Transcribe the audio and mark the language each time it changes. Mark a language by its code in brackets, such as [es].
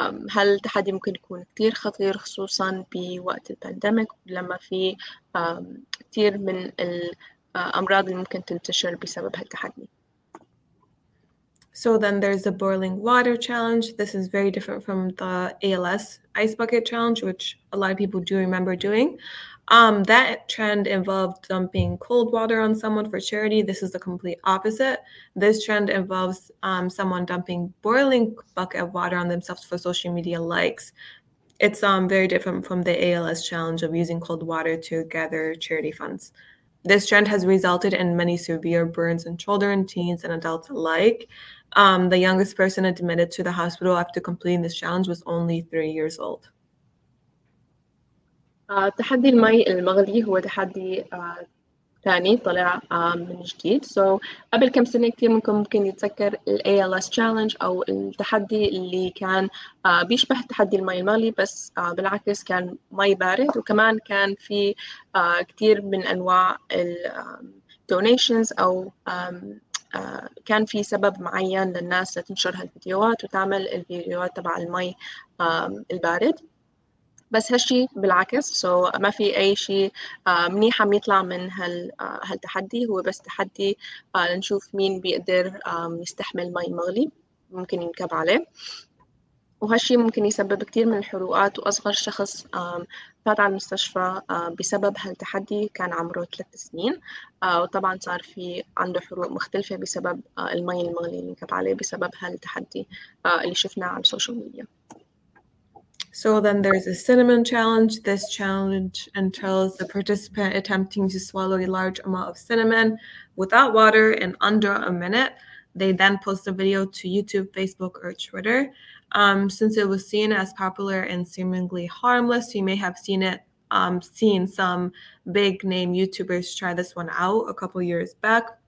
[ar] هل التحدي ممكن يكون كتير خطير، خصوصاً بوقت البانديميك لما في كتير من أمراض اللي ممكن تنتشر بسبب هالتحدي. [en] So then there's the boiling water challenge. This is very different from the ALS ice bucket challenge, which a lot of people do remember doing. That trend involved dumping cold water on someone for charity. This is the complete opposite. This trend involves someone dumping boiling bucket of water on themselves for social media likes. It's very different from the ALS challenge of using cold water to gather charity funds. This trend has resulted in many severe burns in children, teens, and adults alike. The youngest person admitted to the hospital after completing this challenge was only 3 years old. [ar] تحدي المي المغلي هو تحدي ثاني طلع من جديد. So قبل كم سنة كتير ممكن يتذكر الـ ALS challenge أو التحدي اللي كان بيشبه تحدي المي المغلي، بس بالعكس كان مي بارد، وكمان كان في كتير من أنواع الـ donations أو كان في سبب معين للناس تنشر هالفيديوهات وتعمل الفيديوهات تبع المي البارد. بس هالشي بالعكس، so ما في أي شيء منيح عم يطلع من هالتحدي، هو بس تحدي لنشوف مين بيقدر يستحمل مي مغلي ممكن ينكب عليه. وهالشي ممكن يسبب كتير من الحروقات، وأصغر شخص فات على المستشفى بسبب هالتحدي كان عمره 3 سنين، وطبعاً صار في عنده حروق مختلفة بسبب المي المغلي اللي ينكب عليه بسبب هالتحدي اللي شفناه على السوشيال ميديا. [en] So then there's a cinnamon challenge. This challenge entails the participant attempting to swallow a large amount of cinnamon without water in under a minute. They then post the video to YouTube, Facebook, or Twitter. Since it was seen as popular and seemingly harmless, you may have seen it, seen some big name YouTubers try this one out a couple years back.